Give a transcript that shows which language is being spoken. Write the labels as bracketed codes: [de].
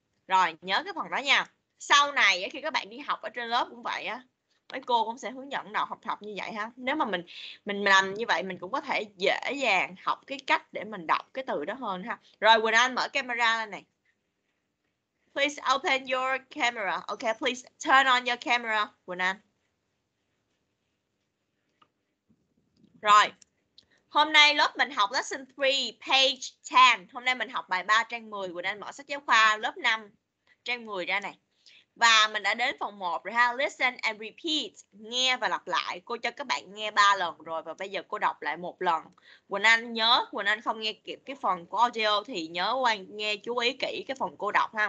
[vi] Rồi, nhớ cái phần đó nha. Sau này khi các bạn đi học ở trên lớp cũng vậy á, mấy cô cũng sẽ hướng dẫn đọc học như vậy ha. Nếu mà mình làm như vậy mình cũng có thể dễ dàng học cái cách để mình đọc cái từ đó hơn ha. Rồi Quỳnh Anh mở camera lên này. [en] Please open your camera. Okay, please turn on your camera, Quỳnh Anh. [vi] Rồi. Hôm nay lớp mình học [en] lesson 3 page 10. [vi] Hôm nay mình học bài 3 trang 10, Quỳnh Anh mở sách giáo khoa lớp 5 trang 10 ra này. Và mình đã đến phần 1 rồi ha. [en] Listen and repeat. [vi] Nghe và lặp lại. Cô cho các bạn nghe 3 lần rồi. Và bây giờ cô đọc lại một lần. Quỳnh Anh nhớ, Quỳnh Anh không nghe kịp cái phần của audio thì nhớ quan nghe chú ý kỹ cái phần cô đọc ha.